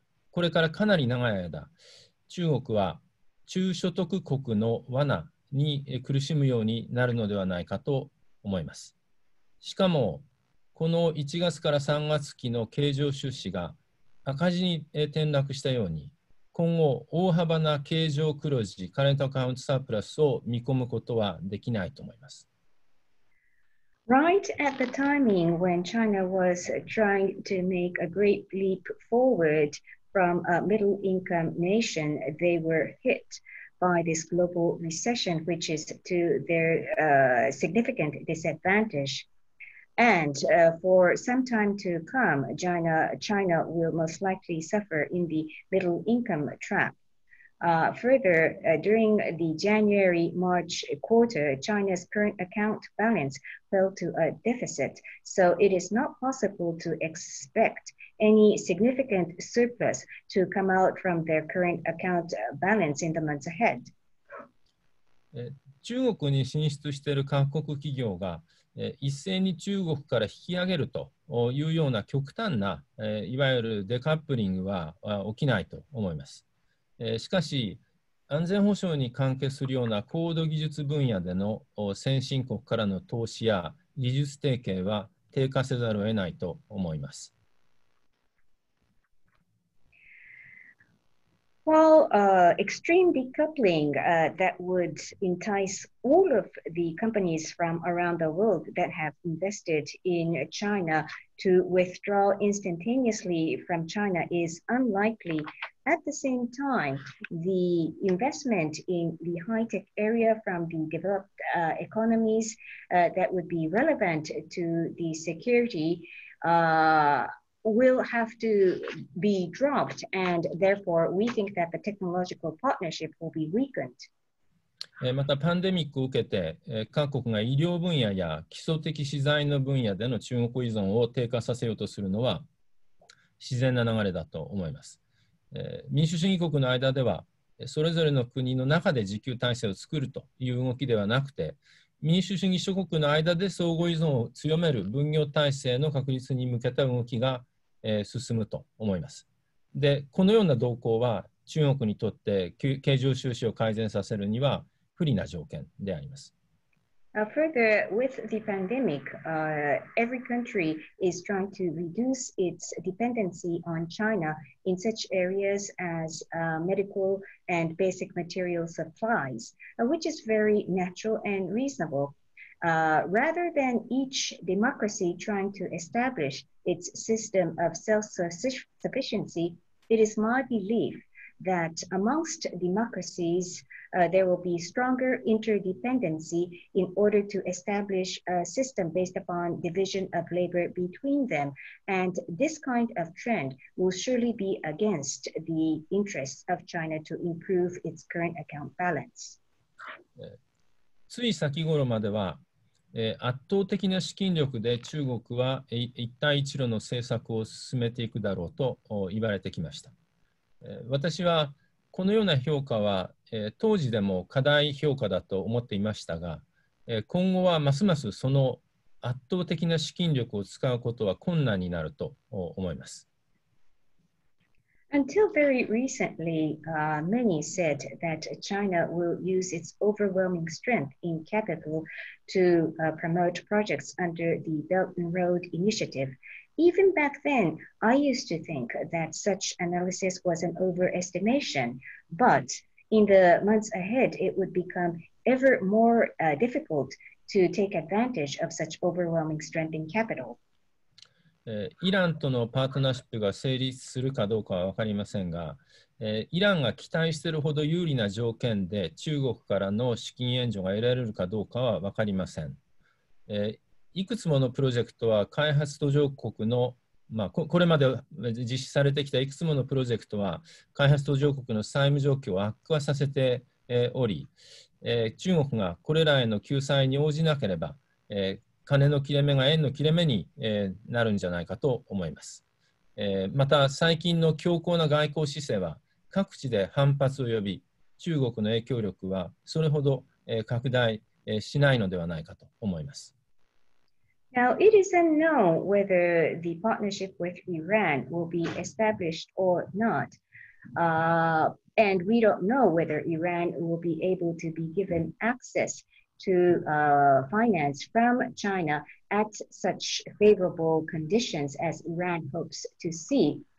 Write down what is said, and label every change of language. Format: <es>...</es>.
<ja>これからかなり長い間、中国は中所得国の罠に苦しむようになるのではないかと思います。しかも、この1月から3月期の経常収支が赤字に転落したように、今後大幅な経常黒字、カレントアカウントサープラスを見込むことはできないと思います。</ja> <en>Right at the timing when China was trying to make a great leap forward,From a middle-income nation, they were hit by this global recession, which is to their significant disadvantage. And for some time to come, China will most likely suffer in the middle-income trap. Further, during the January-March quarter, China's current account balance fell to a deficit. So it is not possible to expect any significant surplus to come out from their current account balance in the months ahead.</en> <ja>中国に進出している各国企業が一斉に中国から引き上げるとというような極端な、いわゆるデカップリングは起きないと思います。しかし、安全保障に関係するような高度技術分野での先進国からの投資や技術提携は低下せざるを得ないと思います。</ja> <en>Well, extreme decoupling that would entice all of the companies from around the world that have invested in China to withdraw instantaneously from China is unlikely. At the same time, the investment in the high-tech area from the developed economies that would be relevant to the security will have to be dropped, and therefore we think that the technological partnership will be weakened.</en> <ja>またパンデミックを受けて、各国が医療分野や基礎的資材の分野での中国依存を低下させようとするのは自然な流れだと思います。民主主義国の間では、それぞれの国の中で自給体制を作るという動きではなくて、民主主義諸国の間で相互依存を強める分業体制の確立に向けた動きが、進むと思います。で、このような動向は中国にとって経常収支を改善させるには不利な条件であります。</ja> <en>Further, with the pandemic, every country is trying to reduce its dependency on China in such areas as medical and basic material supplies, which is very natural and reasonable. Rather than each democracy trying to establish its system of self-sufficiency, it is my belief that amongst democracies, there will be stronger interdependency in order to establish a system based upon division of labor between them. And this kind of trend will surely be against the interests of China to improve its current account balance.</en> <ja>つい先頃までは、圧倒的な資金力で中国は一帯一路の政策を進めていくだろうと言われてきました。私はこのような評価は当時でも過大評価だと思っていましたが、今後はますますその圧倒的な資金力を使うことは困難になると思います。</ja> <en>Until very recently, many said that China will use its overwhelming strength in capital to promote projects under the Belt and Road Initiative. Even back then, I used to think that such analysis was an overestimation, but in the months ahead, it would become ever more difficult to take advantage of such overwhelming strength in capital.</en> <ja>イランとのパートナーシップが成立するかどうかは分かりませんが、イランが期待しているほど有利な条件で中国からの資金援助が得られるかどうかは分かりません。いくつものプロジェクトは開発途上国の、まあ、これまで実施されてきたいくつものプロジェクトは開発途上国の債務状況を悪化させており、中国がこれらへの救済に応じなければ、金の切れ目が円の切れ目に、なるんじゃないかと思います。また最近の強硬な外交姿勢は各地で反発を呼び、中国の影響力はそれほど、拡大、しないのではないかと思います。</ja> <en>Now, it is unknown whether the partnership with Iran will be established or not. And we don't know whether Iran will be able to be given access to finance from China at such favorable conditions as Iran hopes to see.</en>